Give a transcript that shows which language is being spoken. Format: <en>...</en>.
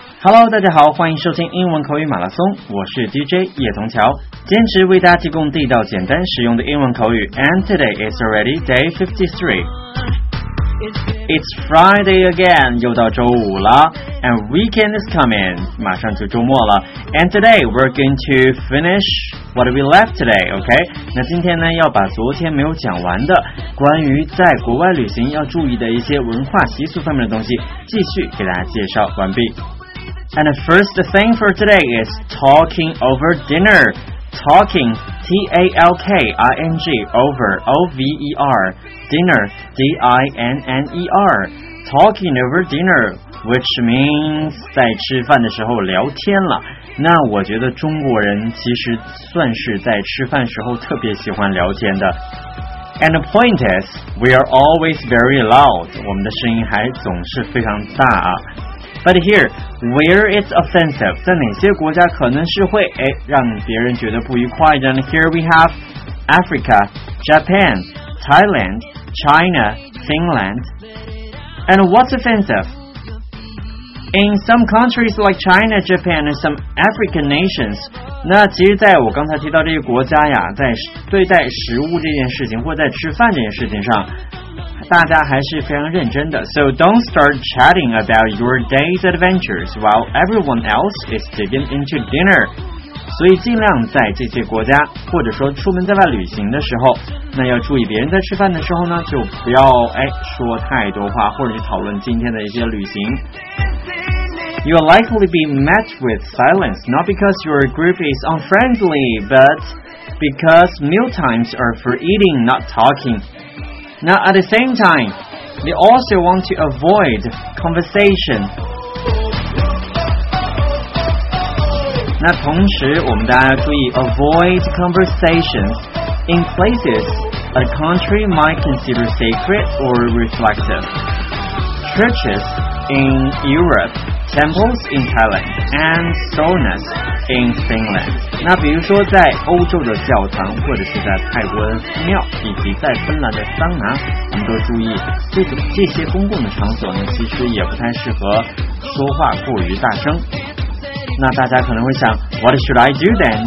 <zh>Hello, 大家好，欢迎收听英文口语马拉松。我是 DJ 叶童桥，坚持为大家提供地道、简单、实用的英文口语。</zh> <en>And today is already day 53. It's Friday again.</en> <zh>又到周五了。</zh> <en>And weekend is coming.</en> <zh>马上就周末了。</zh> <en>And today we're going to finish what we left today. Okay.</en> <zh>那今天呢，要把昨天没有讲完的关于在国外旅行要注意的一些文化习俗方面的东西，继续给大家介绍完毕。</zh> <en>And the first thing for today is talking over dinner. Talking, T-A-L-K-I-N-G, over, O-V-E-R, dinner, D-I-N-N-E-R, talking over dinner, which means</en> <zh>在吃饭的时候聊天了。那我觉得中国人其实算是在吃饭时候特别喜欢聊天的。</zh> <en>And the point is, we are always very loud.</en> <zh>我们的声音还总是非常大啊。</zh> <en>But here, where it's offensive,</en> <zh>在哪些国家可能是会让别人觉得不愉快的呢?</zh> <en>Here we have Africa, Japan, Thailand, China, Finland. And what's offensive? In some countries like China, Japan, and some African nations,</en> <zh>那其实在我刚才提到这些国家呀，在对待食物这件事情或在吃饭这件事情上大家还是非常认真的。</zh> <en>So don't start chatting about your day's adventures while everyone else is digging into dinner.</en> <zh>所以尽量在这些国家或者说出门在外旅行的时候，那要注意别人在吃饭的时候呢，就不要说太多话或者去讨论今天的一些旅行。</zh> <en>You will likely be met with silence, not because your group is unfriendly, but because meal times are for eating, not talking. Now, at the same time, they also want to avoid conversation.</en> <zh>那同时我们大家注意</zh> <en>avoid conversations in places a country might consider sacred or reflective. Churches in Europe, temples in Thailand, and saunas in Finland.</en> <zh>那比如说在欧洲的教堂或者是在泰国的寺庙以及在芬兰的桑拿，我们都注意 这些公共的场所呢，其实也不太适合说话过于大声。那大家可能会想</zh> <en>What should I do then?</en>